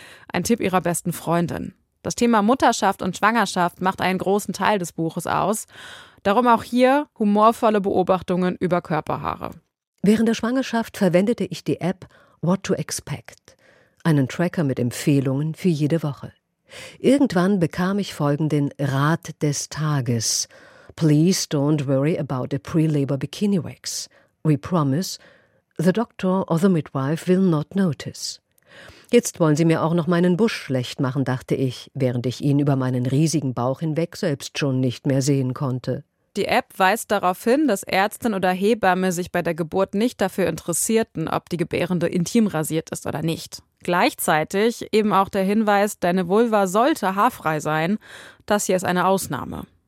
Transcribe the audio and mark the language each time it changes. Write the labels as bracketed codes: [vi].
[de] Ein Tipp ihrer besten Freundin. Das Thema Mutterschaft und Schwangerschaft macht einen großen Teil des Buches aus. Darum auch hier humorvolle Beobachtungen über Körperhaare. Während der Schwangerschaft verwendete ich die App What to Expect. Einen Tracker mit Empfehlungen für jede Woche. Irgendwann bekam ich folgenden Rat des Tages. [en] Please don't worry about a pre-labor bikini wax. We promise, the doctor or the midwife will not notice. [de] Jetzt wollen sie mir auch noch meinen Busch schlecht machen, dachte ich, während ich ihn über meinen riesigen Bauch hinweg selbst schon nicht mehr sehen konnte. Die App weist darauf hin, dass Ärztin oder Hebamme sich bei der Geburt nicht dafür interessierten, ob die Gebärende intim rasiert ist oder nicht. Gleichzeitig eben auch der Hinweis, deine Vulva sollte haarfrei sein, das hier ist eine Ausnahme.